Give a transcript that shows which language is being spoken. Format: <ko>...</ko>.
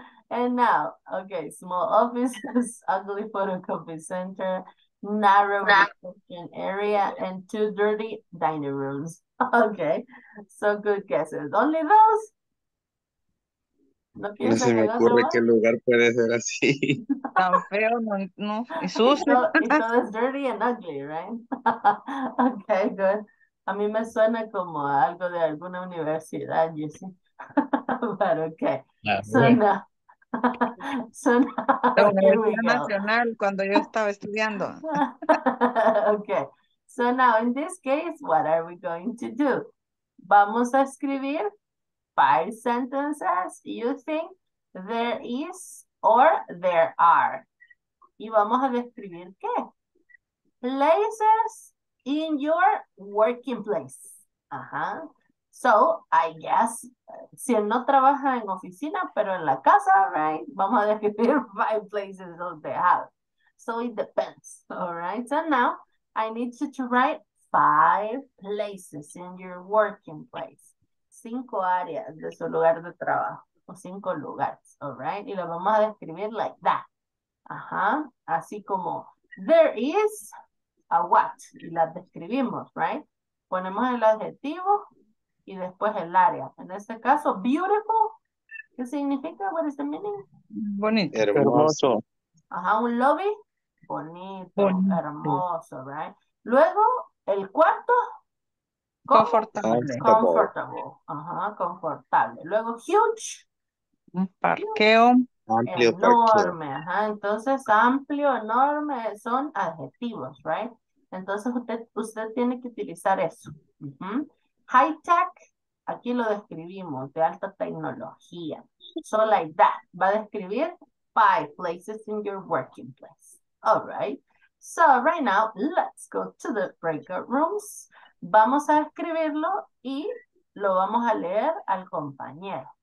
<en>And now, okay, small offices, ugly photocopy center, narrow reception area, and two dirty dining rooms. Okay, so good guesses. Only those?</en> <es>No se me ocurre qué lugar puede ser así. Tan feo, no, no. Y sucio. Y todo es</es> <en>dirty and ugly, right? Okay, good.</en> <es>A mí me suena como algo de alguna universidad,</es> <en>you see. But okay. So now, here we go.</en> <es>Nacional, cuando yo estaba estudiando.</es> <en>Okay. So now, in this case, what are we going to do?</en> <es>Vamos a escribir</es> <en>five sentences using there is or there are.</en> <es>Y vamos a describir qué.</es> <en>Places in your working place.</en> <es>Ajá.</es> <en>So, I guess,</en> <es>si él no trabaja en oficina, pero en la casa, right? Vamos a describir</es> <en>five places of the house. So, it depends. All right. So, now, I need you to write five places in your working place.</en> <es>5 áreas de su lugar de trabajo, o 5 lugares,</es> <en>all right?</en> <es>Y lo vamos a describir</es> <en>like that.</en> <es>Ajá, así como</es> <en>there is a what,</en> <es>y la describimos, right? Ponemos el adjetivo y después el área. En este caso, beautiful, ¿qué significa?</es> <en>What is the meaning?</en> <es>Bonito. Hermoso. Ajá, un lobby, bonito, hermoso, right? Luego, el cuarto, confortable. Luego, huge, un parqueo, amplio, enorme, ajá. Entonces, amplio, enorme, son adjetivos, right? Entonces, usted tiene que utilizar eso. Uh-huh. High tech, aquí lo describimos, de alta tecnología.</es> <en>So like that,</en> <es>va a describir</es> <en>5 places in your working place. All right. So right now, let's go to the breakout rooms.</en> <es>Vamos a escribirlo y lo vamos a leer al compañero.</es>